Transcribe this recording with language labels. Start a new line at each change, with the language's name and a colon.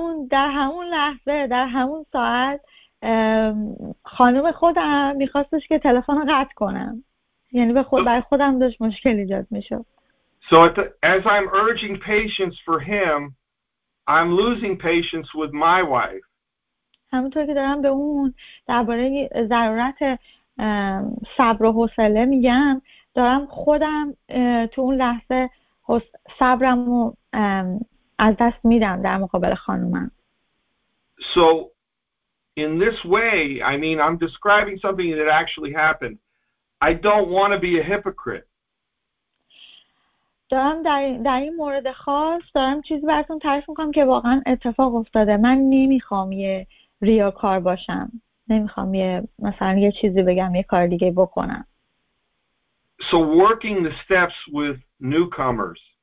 Persian: در همون لحظه در همون ساعت خانم خودم میخواستش که تلفن رو قطع کنم، یعنی برای خودم داشت مشکل ایجاد میشد.
English: So as I'm urging patience for him, I'm losing patience with my wife.
Persian: همونطور که دارم به اون درباره ضرورت صبر و حوصله میگم، دارم خودم تو اون لحظه صبرم رو از دست میدم در مقابل خانومم.
English: So in this way, I mean, I'm describing something that actually happened. I don't want to be a hypocrite.
Persian: دارم در این مورد خاص دارم چیزی براتون تعریف میکنم که واقعا اتفاق افتاده. من نمیخوام یه ریاکار باشم. نمیخوام یه مثلا یه چیزی بگم یه کار دیگه بکنم.
English: So working the steps with newcomers.